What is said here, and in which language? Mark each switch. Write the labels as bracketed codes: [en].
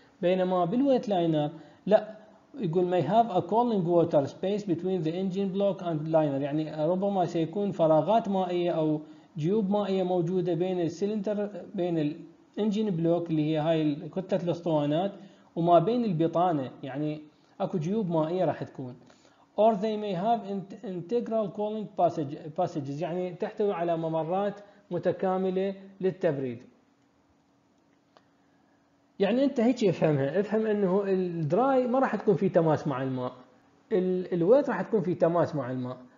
[ar] بينما بالويت لاينر لا، يقول [en] may have a cooling water space between the engine block and liner، [ar] يعني ربما سيكون فراغات مائية أو جيوب مائية موجودة بين السيلندر بين الانجين بلوك اللي هي هاي كتلة الاسطوانات وما بين البطانة، يعني اكو جيوب مائية راح تكون. [en] or they may have integral cooling passages، [ar] يعني تحتوي على ممرات متكاملة للتبريد. يعني انت هيك افهمها، افهم انه الدراي ما راح تكون في تماس مع الماء، الويت راح تكون في تماس مع الماء.